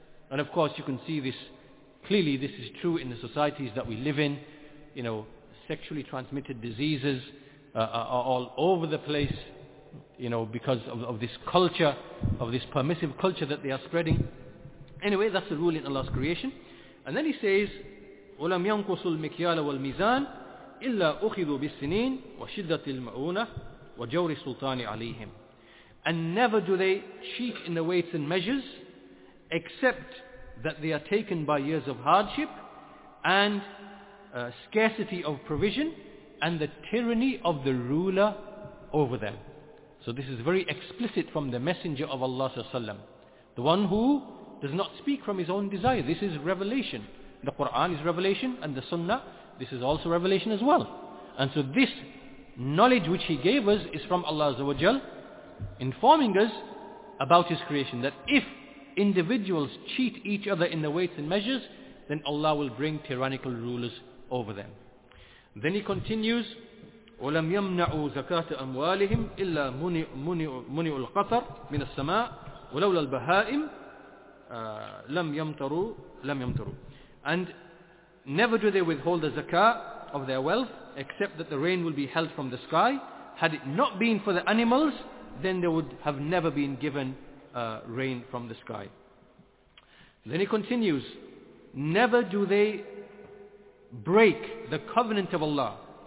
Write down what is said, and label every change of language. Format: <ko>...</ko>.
<en>And of course you can see this clearly, this is true in the societies that we live in. You know, sexually transmitted diseases are all over the place, you know, because of this culture, of this permissive culture that they are spreading. Anyway, that's the rule in Allah's creation. And then he says,</en> <ar>وَلَمْ يَنْقُصُ الْمِكْيَالَ وَالْمِيزَانِ إِلَّا أُخِذُوا بِالسِّنِينَ وَشِدَّةِ الْمَعُونَةِ وَجَوْرِ السُّلْطَانِ عَلَيْهِمْ.</ar> <en>And never do they cheat in the weights and measures, except that they are taken by years of hardship and scarcity of provision and the tyranny of the ruler over them. So this is very explicit from the Messenger of Allah Sallallahu Alaihi Wasallam, the one who does not speak from his own desire. This is revelation. The Quran is revelation, and the Sunnah, this is also revelation as well. And so this knowledge which he gave us is from Allah Azza wa Jal informing us about His creation, that if individuals cheat each other in the weights and measures, then Allah will bring tyrannical rulers over them. Then He continues,</en> <ar>وَلَمْ يَمْنَعُوا زَكَاةَ أَمْوَالِهِمْ إِلَّا مُنِعُوا الْقَطَرِ مِنَ السَّمَاءِ وَلَوْلَا الْبَهَائِمِ لَمْ يَمْتَرُوا.</ar> <en>And never do they withhold the zakah of their wealth, except that the rain will be held from the sky. Had it not been for the animals, then they would have never been given rain from the sky. Then he continues, never do they break the covenant of Allah.</en>